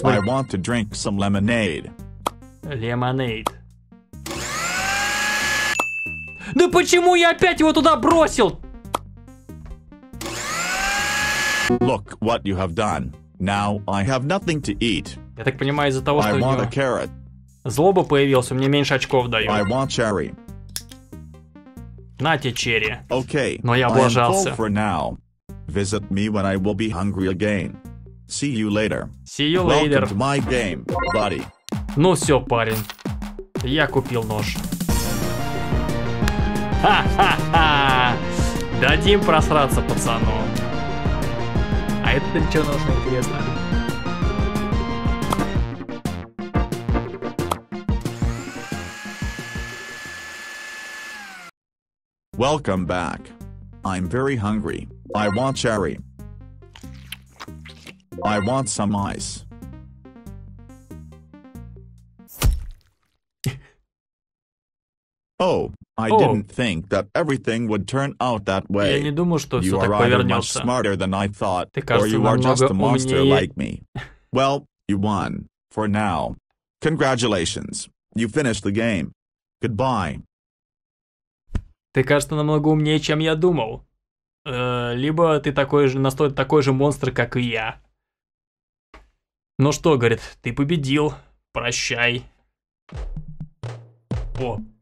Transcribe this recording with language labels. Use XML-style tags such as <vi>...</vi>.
<ru>Смотри.</ru> <en>I want to drink some lemonade. Lemonade.</en> <ru>Да почему я опять его туда бросил?</ru> <en>Look what you have done. Now I have nothing to eat.</en> <ru>Я так понимаю, из-за того, что</ru> <en>I want a carrot.</en> <ru>Злоба появилась, мне меньше очков дают.</ru> <en>I want cherry.</en> <ru>На тебе черри.</ru> <en>Okay.</en> <ru>Но я облажался.</ru> <en>I am full for now. Visit me when I will be hungry again. See you later. See you later. Welcome to my game, buddy.</en> <ru>Ну все, парень. Я купил нож. Ха-ха-ха! Дадим просраться, пацану. А это для чего нужно, интересно?</ru> <en>Welcome back. I'm very hungry. I want cherry. I want some ice. Oh, I didn't think that everything would turn out that way.</en> <ru>Я не думаю, что все так повернется. Ты кажется намного умнее.</ru> <en>Just a monster like me. Well, you won, for now. Congratulations, you finished the game. Goodbye.</en> <ru>Ты кажется намного умнее, чем я думал. Либо ты такой же монстр, как и я. Ну что, говорит, ты победил. Прощай. О.</ru>